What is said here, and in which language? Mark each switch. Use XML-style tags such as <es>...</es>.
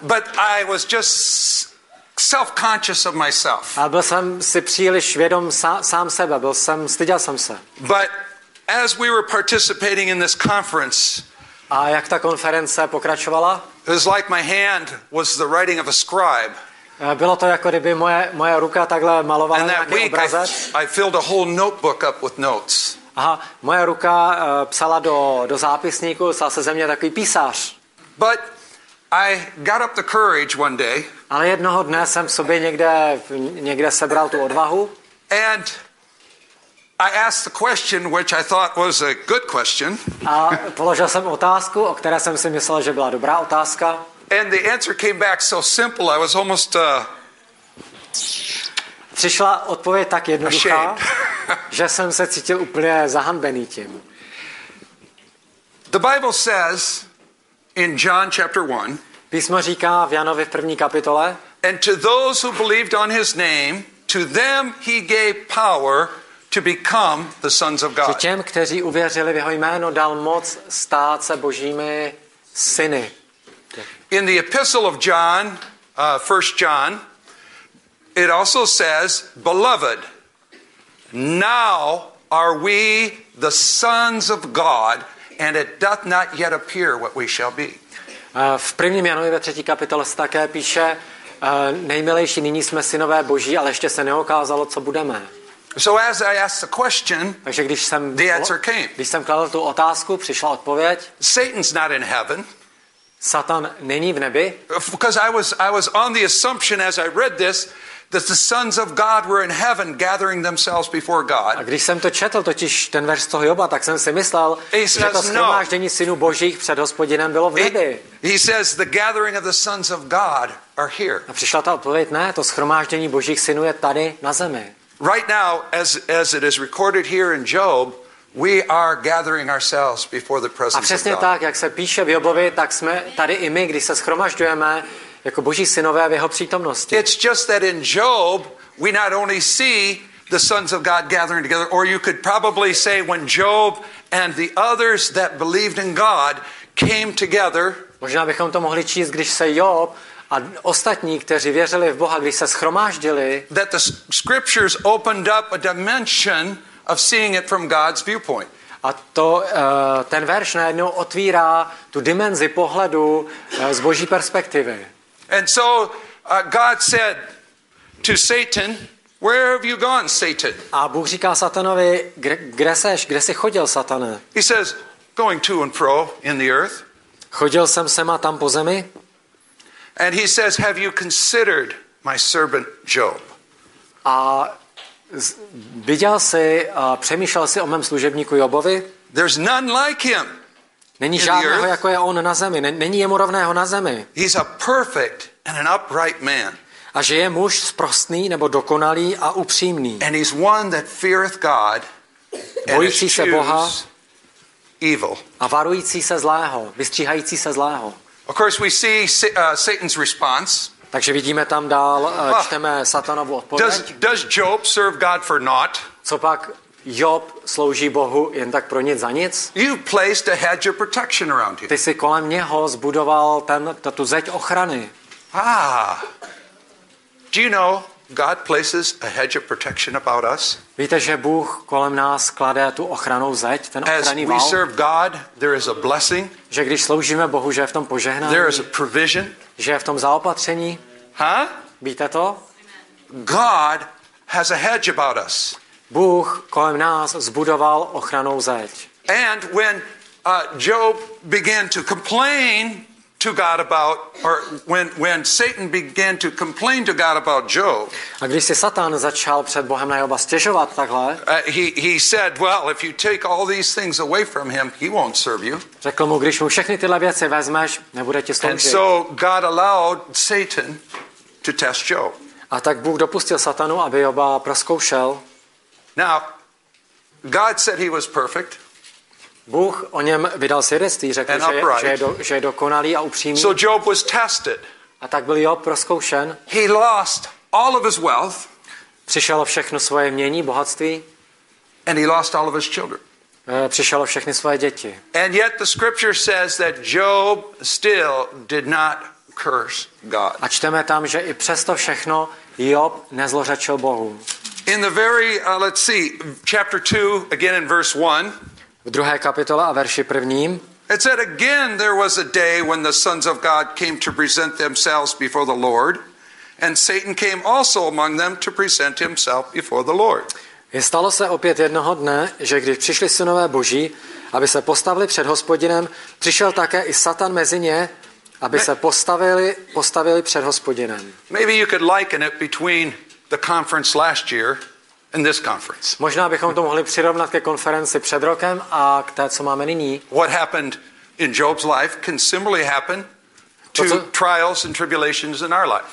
<en>But I was just self-conscious of myself.</en> <cs>A byl jsem si příliš vědom sám sebe, styděl jsem se.</cs> <en>But as we were participating in this conference,</en> <cs>a jak ta konference pokračovala?</cs> <en>It was like my hand was the writing of a scribe.</en> <cs>Bylo to jako kdyby moje ruka takhle malovala nějaký obrazec.</cs> <en>I filled a whole notebook up with notes.</en> <cs>Aha, moje ruka psala do zápisníku, stal se ze mě takový písař.</cs> <en>But I got up the courage one day.</en> <cs>Ale jednoho dne jsem v sobě někde sebral tu odvahu.</cs> <en>And I asked the question which I thought was a good question.</en> <cs>A položil jsem otázku, o které jsem si myslel, že byla dobrá otázka.</cs> <en>And the answer came back so simple, I was almost</en> <cs>Přišla odpověď tak jednoduchá, že jsem se cítil úplně zahanbený tím.</cs> <en>The Bible says in John chapter 1,</en> <cs>Písmo říká v Janovi v první kapitole,</cs> <en>and to those who believed on his name, to them he gave power to become the sons of God.</en> <cs>Že těm, kteří uvěřili v jeho jméno, dal moc stát se božími syny.</cs> <en>In the epistle of John, 1 John, it also says, beloved, now are we the sons of God, and it doth not yet appear what we shall be.</en> <cs>V prvním Janově ve třetí kapitole se také píše, nejmilejší, nyní jsme synové Boží, ale ještě se neokázalo, co budeme.</cs> <en>So as I asked the question,</en> <cs>takže když jsem,</cs> <en>the answer came.</en> <cs>Když jsem kladl tu otázku, přišla odpověď.</cs> <en>Satan's not in heaven.</en> <cs>Satan není v nebi.</cs> <en>Because I was on the assumption as I read this that the sons of God were in heaven gathering themselves before God.</en> <cs>A když jsem to četl, totiž ten verš z toho Joba, tak jsem si myslel, že to shromáždění synů Božích před Hospodinem bylo v nebi.</cs> <en>He says the gathering of the sons of God are here.</en> <cs>A přišla ta odpověď, ne, to shromáždění Božích synů je tady na zemi.</cs> <en>Right now as it is recorded here in Job, we are gathering ourselves before the presence of God.</en> <cs>A přesně tak, jak se píše v Jobovi, tak jsme tady i my, když se shromažďujeme jako Boží synové v jeho přítomnosti.</cs> <en>It's just that in Job, we not only see the sons of God gathering together, or you could probably say when Job and the others that believed in God came together.</en> <cs>Možná bychom to mohli číst, když se Job a ostatní, kteří věřili v Boha, když se shromáždili.</cs> <en>That the scriptures opened up a dimension of seeing it from God's viewpoint.</en> <cs>A to ten verš najednou otvírá tu dimenzi pohledu z Boží perspektivy.</cs> <en>And so God said to Satan, where have you gone, Satan?</en> <cs>A Bůh říká Satanovi, kde jsi chodil, Satane?</cs> <en>He says, going to and fro in the earth.</en> <cs>Chodil jsem sem a tam po zemi.</cs> <en>And he says, have you considered my servant Job?</en> <cs>A viděl jsi a přemýšlel jsi o mém služebníku Jobovi?</cs> <en>There's none like him.</en> <cs>Není žádného, jako je on na zemi. Není jemu rovného na zemi.</cs> <en>He's a perfect and an upright man.</en> <cs>A že je muž sprostný nebo dokonalý a upřímný.</cs> <en>And he's one that feareth God and</en> <cs>bojící se Boha</cs> <en>evil.</en> <cs>A varující se zlého, vystříhající se zlého.</cs> <en>Of course we see Satan's response.</en> <cs>Takže vidíme tam dál, čteme Satanovu odpověď.</cs> <en>Does Job serve God for naught?</en> <cs>Copak Job slouží Bohu jen tak pro nic za nic?</cs> <en>You placed a hedge of protection around him.</en> <cs>Ty jsi kolem něho zbudoval tu zeď ochrany.</cs> <en>Do you know God places a hedge of protection about us?</en> <cs>Víte, že Bůh kolem nás klade tu ochranou zeď, ten ochranný vál?</cs> <en>As we serve God, there is a blessing.</en> <cs>Že když sloužíme Bohu, že je v tom požehnání.</cs> <en>There is a provision.</en> <cs>Že je v tom zaopatření.</cs> <en>Huh?</en> <cs>Víte to?</cs> <en>God has a hedge about us.</en> <cs>Bůh kolem nás zbudoval ochranou zeď.</cs> <en>And when Job began to complain to God about, or when Satan began to complain to God about Job.</en> <cs>A když si Satan začal před Bohem na Joba stěžovat takhle.</cs> <en>He said, well, if you take all these things away from him, he won't serve you.</en> <cs>Řekl mu, když mu všechny tyhle věci vezmeš, nebude ti sloužit.</cs> <en>And so God allowed Satan to test Job.</en> <cs>A tak Bůh dopustil Satanu, aby Joba prozkoušel.</cs> <en>Now, God said he was perfect.</en> <cs>Bůh o něm vydal svědectví, řekl, že je dokonalý a upřímný.</cs> <en>So Job was tested.</en> <cs>A tak byl Job rozkoušen.</cs> <en>He lost all of his wealth.</en> <cs>Přišel o všechno svoje mění, bohatství.</cs> <en>And he lost all of his children.</en> <cs>Přišel o všechny svoje děti.</cs> <en>And yet the scripture says that Job still did not curse God.</en> <cs>A čteme tam, že i přesto všechno Job nezlořečil Bohu.</cs> <en>In the very let's see chapter 2 again in verse 1.</en> <cs>V druhé kapitole a verši prvním.</cs> <en>It said again there was a day when the sons of God came to present themselves before the Lord and Satan came also among them to present himself before the Lord.</en> <cs>Je stalo se opět jednoho dne, že když přišli synové Boží, aby se postavili před Hospodinem, přišel také i Satan mezi ně, aby se postavili před Hospodinem.</cs> <en>Maybe you could liken it between the conference last year and this conference.</en> <cs>Možná bychom to mohli přirovnat ke konferenci před rokem a k té, co máme nyní.</cs> <en>What happened in Job's life can similarly happen to trials and tribulations in our life.</en>